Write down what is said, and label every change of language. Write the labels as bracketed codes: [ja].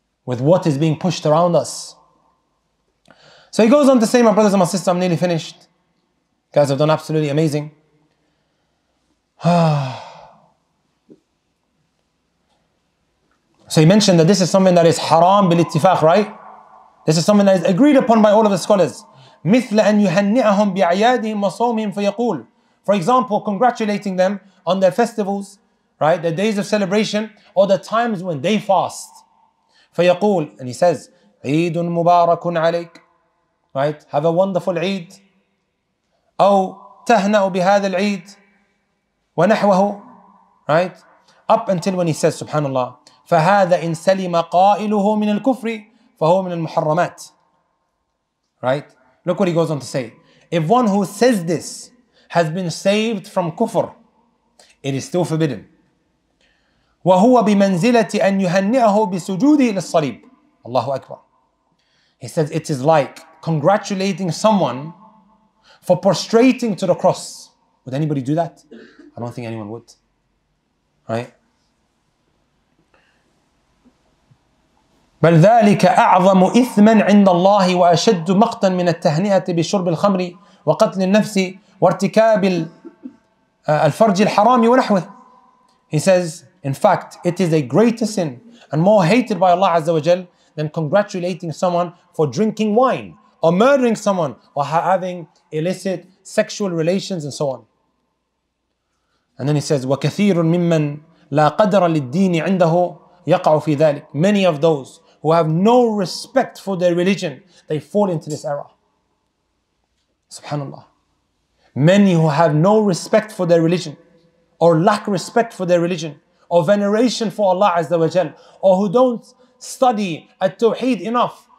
[en] with what is being pushed around us. So he goes on to say, my brothers and my sisters, I'm nearly finished. You guys have done absolutely amazing. So he mentioned that this is something that is haram bil-ittifaq, right? This is something that is agreed upon by all of the scholars. [ar] مثل أن يهنئهم بعيادهم وصومهم فيقول. [en] For example, congratulating them on their festivals, right? Their days of celebration, or the times when they fast. [ar] فيقول, [en] and he says, [ar] عيد مبارك عليك. [en] Right? Have a wonderful Eid. [ar] أو تهنأ بهذا العيد. ونحوه. [en] Right? Up until when he says, [ar] Subhanallah, فهذا إن سلم قائله من الكفر فهو من المحرمات. [en] Right? Look what he goes on to say. If one who says this has been saved from kufr, it is still forbidden. [ar] وهو بمنزلة أن يهنئه بسجوده للصليب. الله أكبر. [en] He says it is like congratulating someone for prostrating to the cross. Would anybody do that? I don't think anyone would. Right? [ar] بل ذلك أعظم إثما عند الله وأشد مقتا من التهنئة بشرب الخمر وقتل النفس وارتكاب الفرج الحرام ونحوه. [en] He says, in fact, it is a greater sin and more hated by Allah Azza wa Jal than congratulating someone for drinking wine or murdering someone or having illicit sexual relations and so on. And then he says, [ar] وكثير ممن لا قدر للدين عنده يقع في ذلك. [en] Many of those who have no respect for their religion, they fall into this error. Subhanallah. Many who have no respect for their religion, or lack respect for their religion, or veneration for Allah Azza wa Jal, or who don't study at-tawheed enough.